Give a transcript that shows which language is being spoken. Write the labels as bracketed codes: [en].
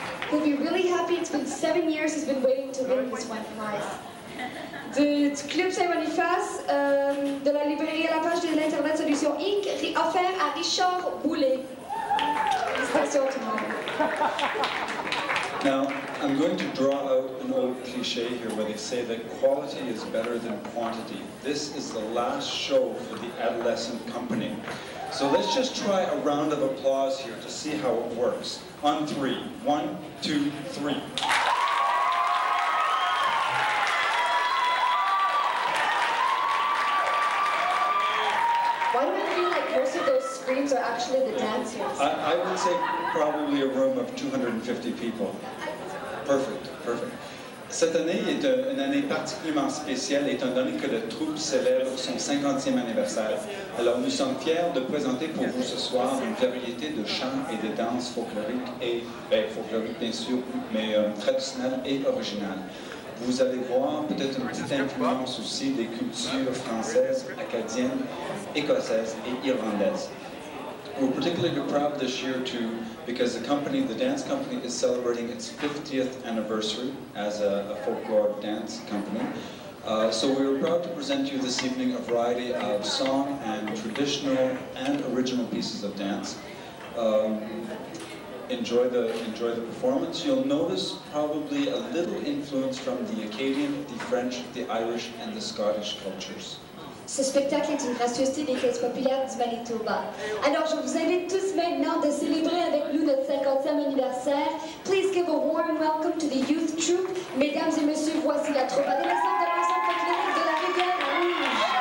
[en] He'll be really happy. It's been 7 years he's been waiting to win this one prize. [fr] du Club Saint-Boniface, de la librairie à la page de l'Internet Solution Inc., offert à Richard Boulet. Félicitations tout le monde. [en] Now, I'm going to draw out an old cliché here where they say that quality is better than quantity. This is the last show for the adolescent company. So let's just try a round of applause here to see how it works. On three. One, two, three. Why do I feel like most of those screams are actually the dancers? I would say probably a room of 250 people. Perfect, perfect. [fr] Cette année est une année particulièrement spéciale étant donné que le troupe célèbre son 50e anniversaire. Alors nous sommes fiers de présenter pour vous ce soir une variété de chants et de danses folkloriques et, ben, folkloriques bien sûr, mais traditionnelles et originales. Vous allez voir peut-être une petite influence aussi des cultures françaises, acadiennes, écossaises et irlandaises. [en] We're particularly proud this year too because the company, the dance company, is celebrating its 50th anniversary as a folklore dance company. So we are proud to present you this evening a variety of song and traditional and original pieces of dance. Enjoy the performance. You'll notice probably a little influence from the Acadian, the French, the Irish and the Scottish cultures. [fr] Ce spectacle est une gracieuseté des caisses populaires du Manitoba. Alors, je vous invite tous maintenant de célébrer avec nous notre 50e anniversaire. [en] Please give a warm welcome to the youth troupe. [fr] Mesdames et messieurs, voici la troupe adolescente de la Maison folklorique de la Rivière Rouge.